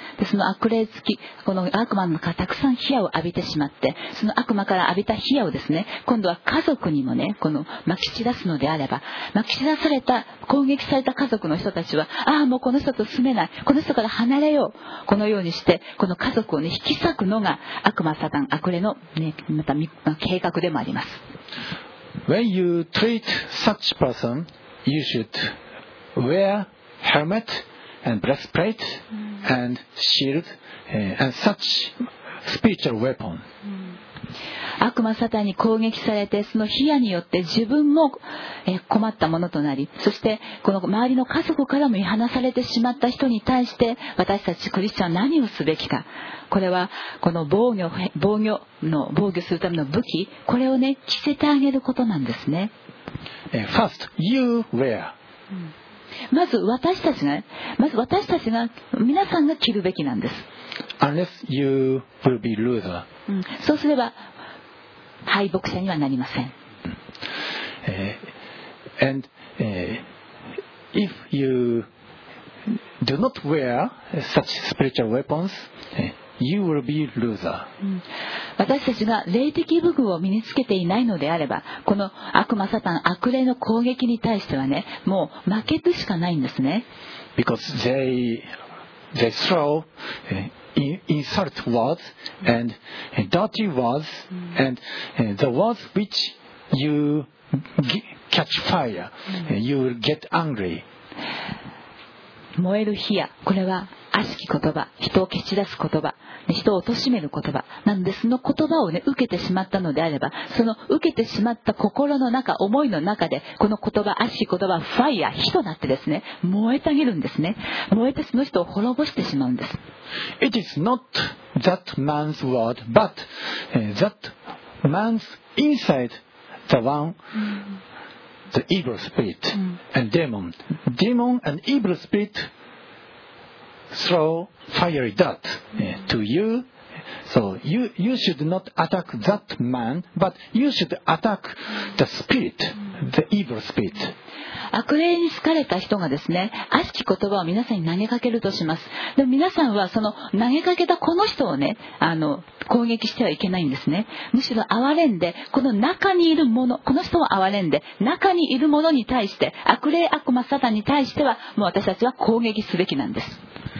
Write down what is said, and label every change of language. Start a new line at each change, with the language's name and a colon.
Japanese: でその悪霊付き、この悪魔の中からたくさん火矢を浴びてしまって、その悪魔から浴びた火矢をですね、今度は家族にもねこの撒き散らすのであれば、撒き散らされた攻撃された家族の人たちは、ああもうこの人と住めない、この人から離れよう、このようにしてこの家族をね引き裂くのが悪魔サタン、悪霊の、ね、また計画でもあります。
English: When you treat such person, you should wear helmet and breastplate and shield and such spiritual weapon.
Japanese: 悪魔サタンに攻撃されて、その火矢によって自分も困ったものとなり、そしてこの周りの家族からも見放されてしまった人に対して、私たちクリスチャン何をすべきか、これはこの防御するための武器、これをね着せてあげることなんですね。
English: First, you wear.
Japanese: まず私たちが、皆さんが着るべきなんです。
English: Unless you will be loser.
Japanese: そうすれば敗北者にはなりません。
English: And if you do not wear such spiritual weapons, you will be loser.
Japanese: 私たちが霊的武具を身につけていないのであれば、この悪魔サタン、悪霊の攻撃に対してはね、もう負けるしかないんですね。
English: Because they throw insult words and dirty words and the words which you catch fire, you will get angry.
Japanese: 燃える火や、これは悪しき言葉、人を蹴散らす言葉、人を貶める言葉なので、その言葉を、ね、受けてしまったのであれば、その受けてしまった心の中、思いの中で、この言葉、悪しき言葉はファイヤー、火となってですね、燃えたげるんですね。燃えてその人を滅ぼしてしまうんです。
English: It is not that man's word, but that man's inside the one, the evil spirit and demon. Demon and evil spirit throw fiery dart to you. So you should not attack that man, but you should attack the spirit, the evil spirit.
Japanese: 悪霊に疲れた人がですね、悪しき言葉を皆さんに投げかけるとします。で、皆さんはその投げかけたこの人をね、攻撃してはいけないんですね。むしろ憐れんで、この中にいるもの、この人を憐れんで、中にいるものに対して、悪霊、悪魔、サタンに対しては、もう私たちは攻撃すべきなんです。